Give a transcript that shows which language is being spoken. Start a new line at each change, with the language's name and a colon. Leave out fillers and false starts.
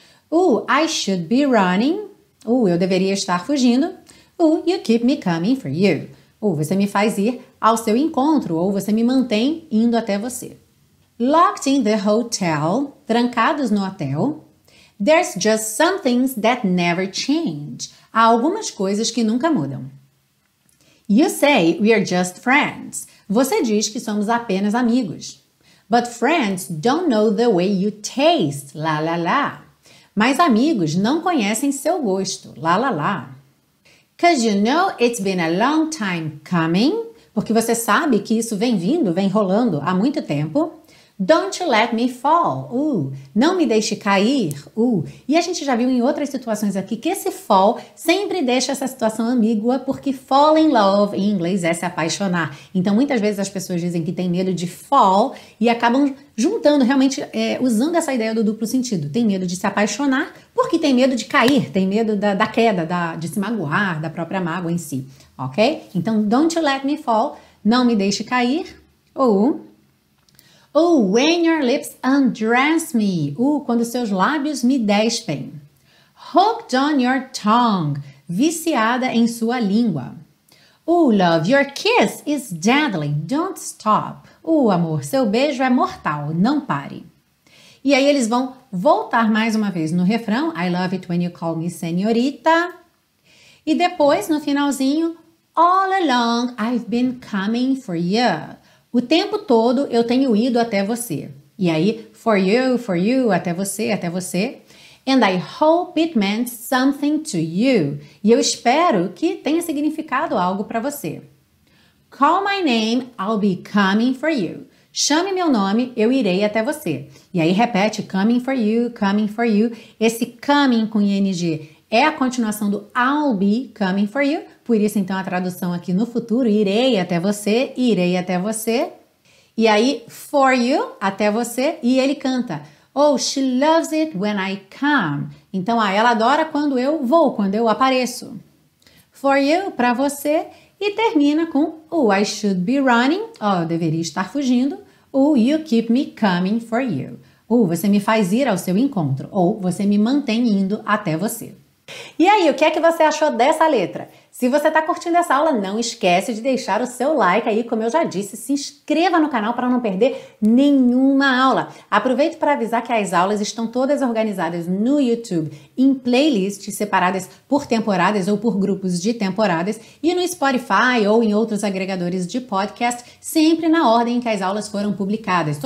English: Ooh, I should be running.
Portuguese: Ooh, eu deveria estar fugindo.
English: Ooh, you keep me coming for you.
Portuguese: Ooh, você me faz ir ao seu encontro. Ou você me mantém indo até você.
English: Locked in the hotel.
Portuguese: Trancados no hotel.
English: There's just some things that never change.
Portuguese: Há algumas coisas que nunca mudam.
English: You say we are just friends.
Portuguese: Você diz que somos apenas amigos.
English: But friends don't know the way you taste. La la la.
Portuguese: Mas amigos não conhecem seu gosto. La la la.
English: Cause you know it's been a long time coming.
Portuguese: Porque você sabe que isso vem vindo, vem rolando há muito tempo.
English: Don't you let me fall.
Portuguese: Não me deixe cair. E a gente já viu em outras situações aqui que esse fall sempre deixa essa situação ambígua, porque
English: fall in love
Portuguese: em inglês é se apaixonar. Então muitas vezes as pessoas dizem que tem medo de fall e acabam juntando, realmente usando essa ideia do duplo sentido. Tem medo de se apaixonar porque tem medo de cair, tem medo da queda, de se magoar, da própria mágoa em si. Ok?
English: Então don't you let me fall.
Portuguese: Não me deixe cair.
English: When your lips undress me.
Portuguese: Quando seus lábios me despem.
English: Hooked on your tongue.
Portuguese: Viciada em sua língua.
English: Love, your kiss is deadly. Don't stop.
Portuguese: Amor, seu beijo é mortal. Não pare. E aí eles vão voltar mais uma vez no refrão.
English: I love it when you call me senhorita.
Portuguese: E depois, no finalzinho.
English: All along I've been coming for you.
Portuguese: O tempo todo eu tenho ido até você. E aí, for you, até você, até você.
English: And I hope it meant something to you.
Portuguese: E eu espero que tenha significado algo para você.
English: Call my name, I'll be coming for you.
Portuguese: Chame meu nome, eu irei até você. E aí repete,
English: coming for you, coming for you.
Portuguese: Esse coming com ING é a continuação do
English: I'll be coming for you.
Portuguese: Por isso, então, a tradução aqui no futuro, irei até você, irei até você. E aí, for you, até você. E ele canta,
English: oh, she loves it when I come.
Portuguese: Então, ela adora quando eu vou, quando eu apareço.
English: For you,
Portuguese: pra você. E termina com,
English: oh, I should be running.
Portuguese: Oh, eu deveria estar fugindo.
English: Oh, you keep me coming for you.
Portuguese: Oh, você me faz ir ao seu encontro. Ou, você me mantém indo até você. E aí, o que é que você achou dessa letra? Se você está curtindo essa aula, não esquece de deixar o seu like aí, como eu já disse, se inscreva no canal para não perder nenhuma aula. Aproveite para avisar que as aulas estão todas organizadas no YouTube em playlists separadas por temporadas ou por grupos de temporadas e no Spotify ou em outros agregadores de podcast, sempre na ordem em que as aulas foram publicadas.